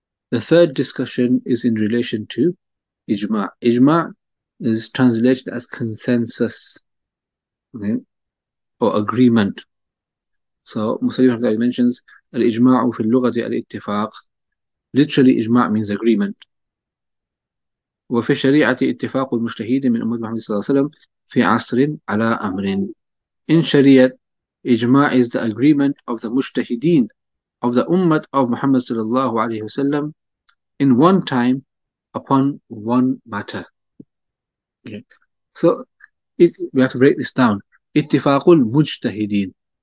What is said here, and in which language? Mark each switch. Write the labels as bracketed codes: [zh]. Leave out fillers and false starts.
[en] The third discussion is in relation to Ijma'. Ijma' is translated as consensus, okay, or agreement. So Musayyib al-Hadari mentions [ar] al-Ijma'u fi al-Lughati al-Ittifaq. [en] Literally, Ijma' means agreement. [ar] وفي الشريعة اتفاق المجتهد من أمة محمد صلى الله عليه وسلم في عصر على أمر. [en] In Sharia, Ijma is the agreement of the mujtahideen of the Ummah of Muhammad صلى الله عليه وسلم in one time upon one matter. Okay. So we have to break this down. [ar] اتفاق المجتهدين.